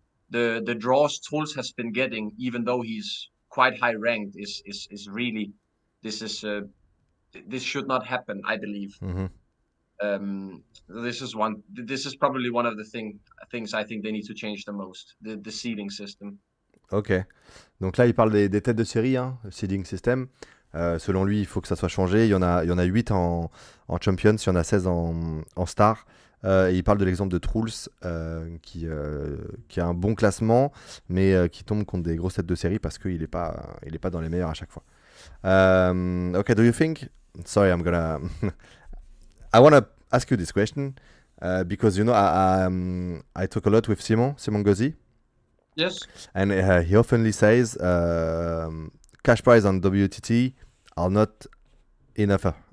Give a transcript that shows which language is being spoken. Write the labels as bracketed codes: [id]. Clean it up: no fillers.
[en] The draws Trolls has been getting, even though he's quite high ranked, is really, this should not happen, I believe. This is probably one of the things I think they need to change the most, the seeding system. Ok. [fr] Donc là, il parle des têtes de série, hein, seeding system. Selon lui, il faut que ça soit changé. Il y en a 8 en Champions, il y en a 16 en Star. Et il parle de l'exemple de Trolls, qui a un bon classement, mais qui tombe contre des grosses têtes de série parce qu'il n'est pas dans les meilleurs à chaque fois. [en] Ok, do you think? Sorry, I want to ask you this question because I talk a lot with Simon Gauzy, Yes. and he often says cash prize on WTT are not enough.